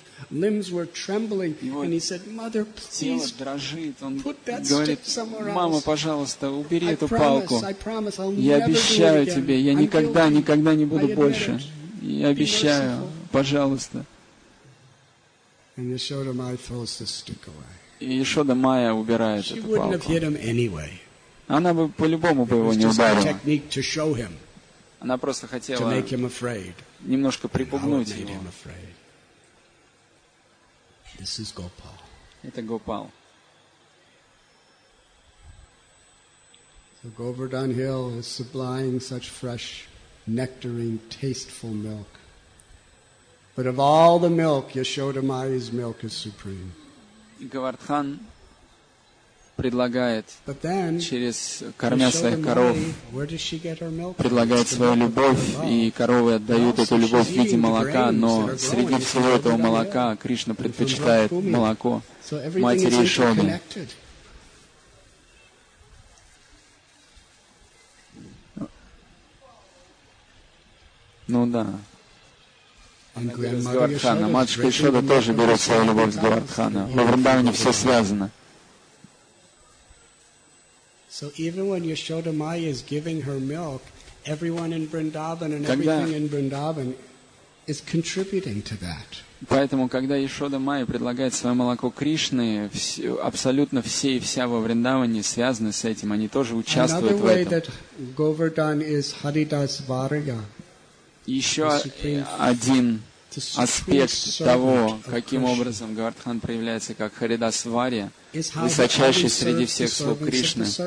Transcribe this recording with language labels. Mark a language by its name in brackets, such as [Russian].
[English] Limbs were trembling, and he said, "Mother, please put that stick somewhere else." [Russian] Мама, пожалуйста, убери эту палку. Я обещаю тебе, я никогда, никогда не буду больше. Я обещаю, пожалуйста. [English] And Yashoda Maya throws the stick away. [Russian] Yashoda Maya убирает эту палку. [English] She wouldn't have hit him anyway. [Russian] Она бы по-любому бы его не ударила. [English] It was just a technique to show him. [Russian] Она просто хотела [English] to make him afraid. [Russian] Немножко припугнуть его. [English] This is Gopal. [Russian] Это Гопал. [English] So Govardhan Hill is supplying such fresh, nectarine, tasteful milk. But of all the milk, Yashoda Maya's milk is supreme. [Russian] Говардхан предлагает [English] But then, [Russian] через кормя своих коров, [English] where does she get her milk? [Russian] Предлагает свою любовь, и коровы отдают эту любовь в виде молока, но среди всего этого молока Кришна предпочитает молоко матери Яшоды. Ну да. С Говардхана. Матушка Яшода тоже берет свою любовь с Говардхана. Во Вриндаване все связано. [English] So even when Yashoda Maya is giving her milk, everyone in Vrindavan and everything in Vrindavan is contributing to that. [Russian] Поэтому, когда Яшода Майя предлагает свое молоко Кришне, абсолютно все и вся во Вриндаване связаны с этим, они тоже участвуют в этом. Еще один аспект того, каким образом Говардхан проявляется как Харидас Варья, высочайший среди всех слуг Кришны.